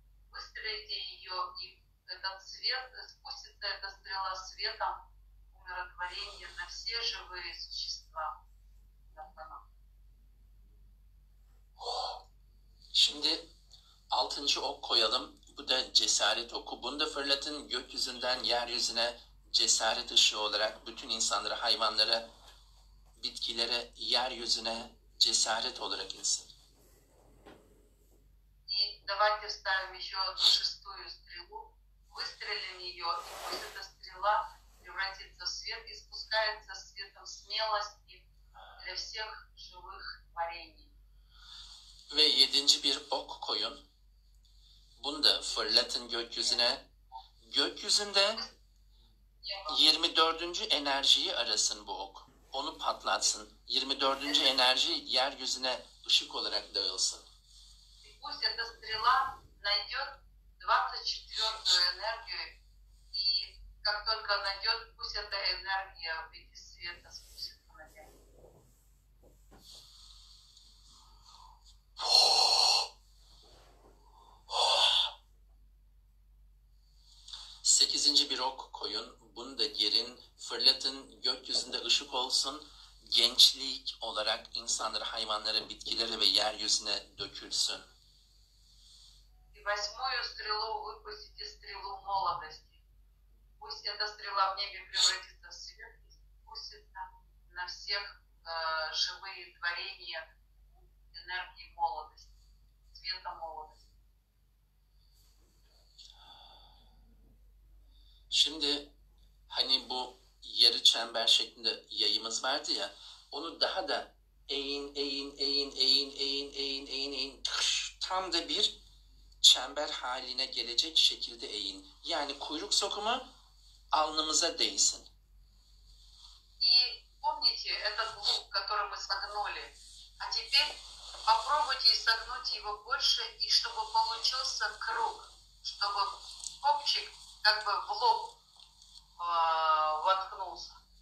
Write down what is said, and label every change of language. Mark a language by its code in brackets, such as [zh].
[ru] Выстрелите ее, и этот свет, спустится эта стрела светом умиротворения на все живые существа. [tr] Şimdi altıncı ok koyalım. Bu da cesaret oku. Bunu da fırlatın gökyüzünden yeryüzüne cesaret ışığı olarak bütün insanlara, hayvanlara, bitkilere, yeryüzüne cesaret olarak insin. [ru] И давайте ставим еще шестую стрелу, выстрелим ее, и пусть эта стрела превратится в свет и спускается светом смелости для всех живых творений. [tr] ve yedinci bir ok koyun. Bunu da fırlatın gökyüzüne. Gökyüzünde 24. enerjiyi arasın bu ok. Onu patlatsın. 24. enerji yeryüzüne ışık olarak dağılsın. [ru] Пусть эта стрела найдет 24-ю энергию. И как только найдет, пусть эта энергия в виде света спустится на землю. [tr] Sekizinci bir ok koyun, bunu da gerin, fırlatın, gökyüzünde ışık olsun, gençlik olarak insanlara, hayvanlara, bitkilere ve yeryüzüne dökülsün. [ru] И восьмую стрелу выпустите стрелу молодости. Пусть эта стрела в небе превратится в свет и спустится на всех живые творения энергии молодости, света молодости. [tr] Şimdi hani bu yarı çember şeklinde yayımız vardı ya, onu daha da eğin, tam da bir çember haline gelecek şekilde eğin. Yani kuyruk sokumu alnımıza değsin. [ru] И помните этот лук, который мы согнули. А теперь попробуйте согнуть его больше, и чтобы получился круг, чтобы копчик как бы в лоб воткнулся.